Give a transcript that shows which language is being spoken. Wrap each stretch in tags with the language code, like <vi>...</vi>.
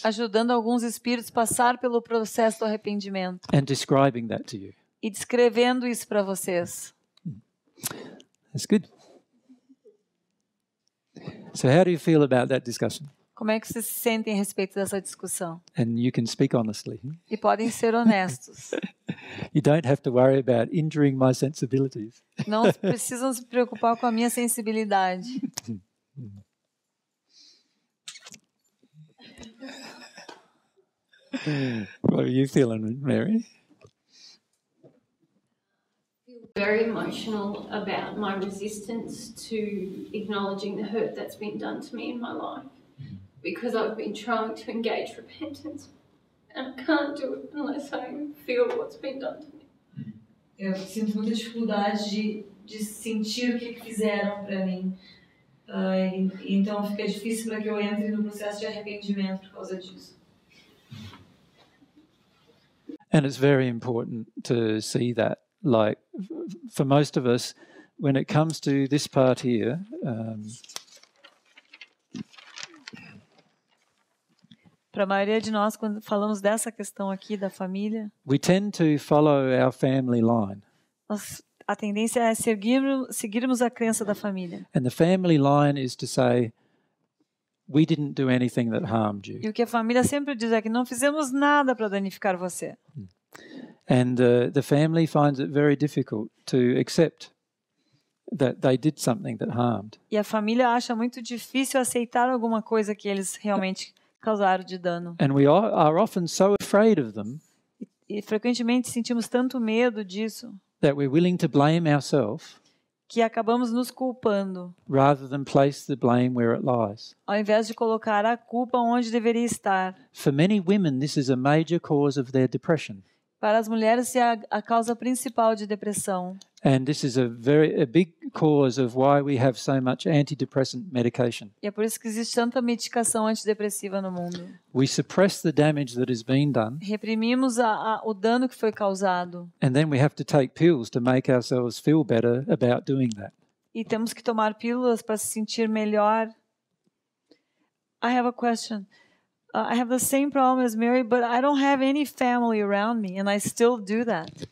<pt>Ajudando alguns espíritos a passar pelo processo do arrependimento.</pt> <en>And describing that to you.</en> <pt>E descrevendo isso para vocês.</pt> <en>That's good. So how do you feel about that discussion?</en> <pt>Como é que vocês se sentem a respeito dessa discussão?</pt> <en>And you can speak honestly.</en> <pt>E podem ser honestos.</pt> <en>You don't have to worry about injuring my sensibilities.</en> <pt>Não precisam se preocupar com a minha sensibilidade.</pt> <en>What are you feeling, Mary? Very emotional about my resistance to acknowledging the hurt that's been done to me in my life because I've been trying to engage repentance and I can't do it unless I feel what's been done to me.</en> <pt>Eu sinto muita dificuldade de sentir o que fizeram para mim. Então fica difícil para que eu entre no processo de arrependimento por causa disso.</pt> <en>And it's very important to see that. Like, for most of us, when it comes to this part here,</en> <pt>para a maioria de nós, quando falamos dessa questão aqui da família,</pt> <en>we tend to follow our family line.</en> <pt>A tendência é seguirmos a crença da família.</pt> <en>And the family line is to say, we didn't do anything that harmed you.</en> <pt>E o que a família sempre diz é que não fizemos nada para danificar você.</pt> <en>And the family finds it very difficult to accept that they did something that harmed.</en> <pt>E a família acha muito difícil aceitar alguma coisa que eles realmente causaram de dano.</pt> <en>And we are often so afraid of them.</en> <pt>E frequentemente sentimos tanto medo disso.</pt> <en>That we're willing to blame ourselves.</en> <pt>Que acabamos nos culpando.</pt> <en>Rather than place the blame where it lies.</en> <pt>Ao invés de colocar a culpa onde deveria estar.</pt> <en>For many women, this is a major cause of their depression.</en> <pt>Para as mulheres, é a causa principal de depressão.</pt> <en>And this is a big cause of why we have so much antidepressant medication.</en> <pt>E é por isso que existe tanta medicação antidepressiva no mundo.</pt> <en>We suppress the damage that has been done.</en> <pt>Reprimimos o dano que foi causado.</pt> <en>And then we have to take pills to make ourselves feel better about doing that.</en> <pt>E temos que tomar pílulas para se sentir melhor.</pt> <en>I have a question. I have the same problem as Mary, but I don't have any family around me, and I still do that.</en>